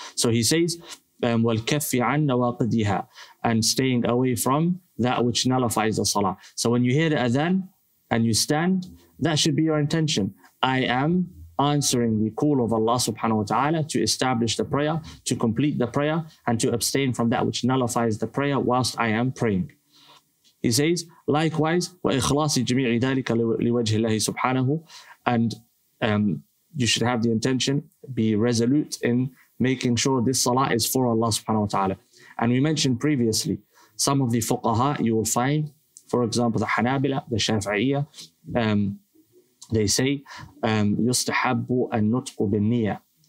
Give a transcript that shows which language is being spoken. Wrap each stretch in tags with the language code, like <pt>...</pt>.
<en>So he says,</en> <ar>وَالْكَفِّ عَنْ نَوَاقِدِهَا,</ar> <en>and staying away from that which nullifies the salah. So when you hear the adhan and you stand, That should be your intention. I am answering the call of Allah subhanahu wa ta'ala to establish the prayer, to complete the prayer, and to abstain from that which nullifies the prayer whilst I am praying. He says, likewise,</en> <ar>وَإِخْلَاصِ جَمِيعِ ذَلِكَ لِوَجْهِ اللَّهِ سُبْحَانَهُ.</ar> <en>And you should have the intention, be resolute in making sure this salah is for Allah subhanahu wa ta'ala. And we mentioned previously, some of the fuqaha you will find, for example, the Hanabila, the Shafi'iyya, they say,</en> <ar>يُسْتَحَبُّ النُّطْقُ بِالنِّيَّةِ.</ar>